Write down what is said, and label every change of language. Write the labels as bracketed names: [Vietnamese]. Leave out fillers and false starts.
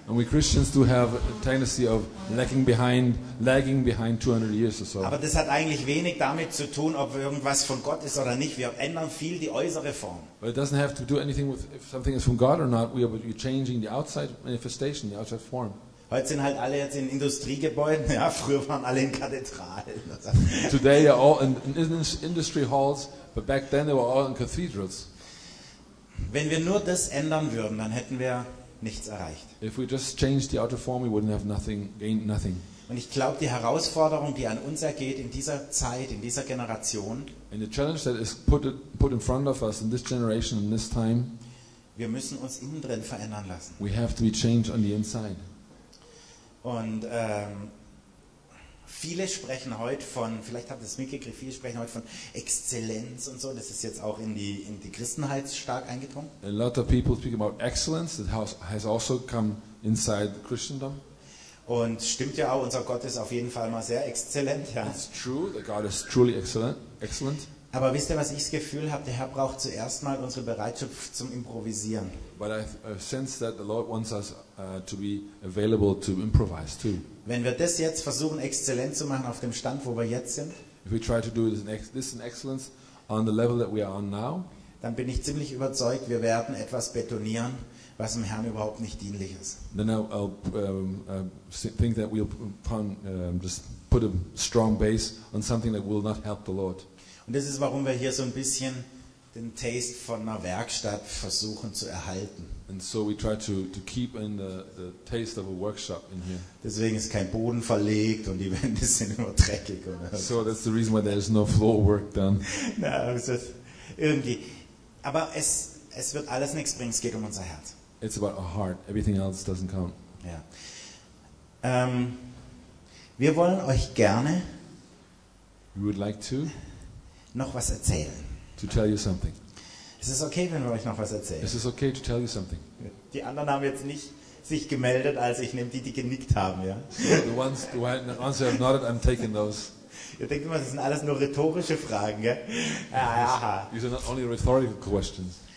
[English] And we Christians do have a tendency of lagging behind 200 years or so. [German] Aber das hat eigentlich wenig damit zu tun, ob irgendwas von Gott ist oder nicht. Wir ändern viel die äußere Form. [English] But it doesn't have to do anything with if something is from God or not. We're changing the outside manifestation, the outside form. [German] Heute sind halt alle jetzt in Industriegebäuden. Ja, früher waren alle in Kathedralen. [English] Today they're all in industry halls, but back then they were all in cathedrals. [German] Wenn wir nur das ändern würden, dann hätten wir nichts erreicht. [English] If we just changed the outer form, we wouldn't have nothing, gained nothing. [German] Und ich glaube, die Herausforderung, die an uns ergeht in dieser Zeit, in dieser Generation, [English] and the challenge that is put in front of us in this generation, in this time, [German] wir müssen uns innen drin verändern lassen. [English] We have to be changed on the inside. [German] Und viele sprechen heute von, vielleicht habt ihr es mitgekriegt, viele sprechen heute von Exzellenz und so. Das ist jetzt auch in die Christenheit stark eingedrungen. [English] A lot of people speak about excellence. That has also come inside Christendom. [German] Und stimmt ja auch, unser Gott ist auf jeden Fall mal sehr exzellent. Ja. [English] It's true that God is truly excellent. [German] Aber wisst ihr, was ich das Gefühl habe? Der Herr braucht zuerst mal unsere Bereitschaft zum Improvisieren. [English] But I sense that the Lord wants us to be available to improvise too. [German] Wenn wir das jetzt versuchen, exzellent zu machen auf dem Stand, wo wir jetzt sind, [English] if we try to do this in excellence on the level that we are on now, [German] dann bin ich ziemlich überzeugt, wir werden etwas betonieren, was dem Herrn überhaupt nicht dienlich ist. [English] Then I'll think that we'll just put a strong base on something that will not help the Lord. [German] Und das ist, warum wir hier so ein bisschen den Taste von einer Werkstatt versuchen zu erhalten. [English] And so we try to keep in the taste of a workshop in here. [German] Deswegen ist kein Boden verlegt und die Wände sind immer dreckig. Oder? [English] So that's the reason why there is no floor work done. [German] Na, also irgendwie. Aber es wird alles nichts bringen. Es geht um unser Herz. [English] It's about our heart. Everything else doesn't count. [German] Ja. Wir wollen euch gerne. [English] We would like to. [German] Noch was erzählen. [English] To tell you something. [German] Ist es okay, wenn wir euch noch was erzählen? [English] Is it okay to tell you something? [German] Die anderen haben jetzt nicht sich gemeldet, als ich nehme die genickt haben, ja. [English] The ones who have nodded, I'm taking those. [German] Ihr denkt immer, das sind alles nur rhetorische Fragen, gell? [English] These are not only rhetorical questions.